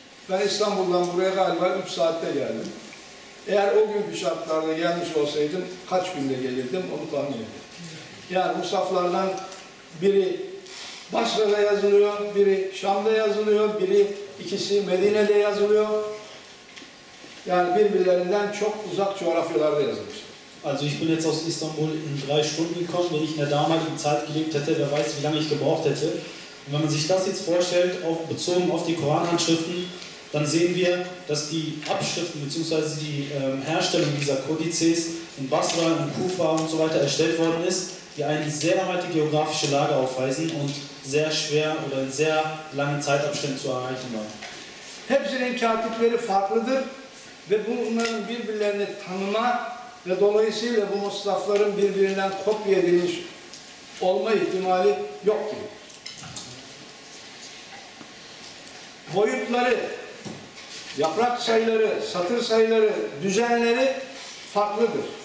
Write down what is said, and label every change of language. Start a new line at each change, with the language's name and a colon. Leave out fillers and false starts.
Turkish: Ben İstanbul'dan buraya galiba 3 saatte geldim. Eğer o günkü şartlarda gelmiş olsaydım kaç günde gelirdim onu tahmin ediyorum. Yani musaflardan biri Basra'da yazılıyor, biri Şam'da yazılıyor, biri ikisi Medine'de yazılıyor. Yani birbirlerinden çok uzak coğrafyalarda yazılmış.
German: Also ich bin jetzt aus Istanbul in 3 Stunden gekommen, wenn ich in der damaligen Zeit gelebt hätte, wer weiß, wie lange ich gebraucht hätte. Und wenn man sich das jetzt vorstellt, auch bezogen auf die Koranhandschriften, dann sehen wir, dass die Abschriften bzw. die Herstellung dieser Kodizes in Basra, in Kufa und so weiter erstellt worden ist, die eine sehr weite geografische Lage aufweisen und sehr schwer oder in sehr langen Zeitabständen zu erreichen waren.
Turkish: Hepsinin katipleri farklıdır ve bunların birbirlerini tanıma ve dolayısıyla bu musafların birbirinden kopya edilmiş olma ihtimali yok gibi. Boyutları, yaprak sayıları, satır sayıları, düzenleri farklıdır.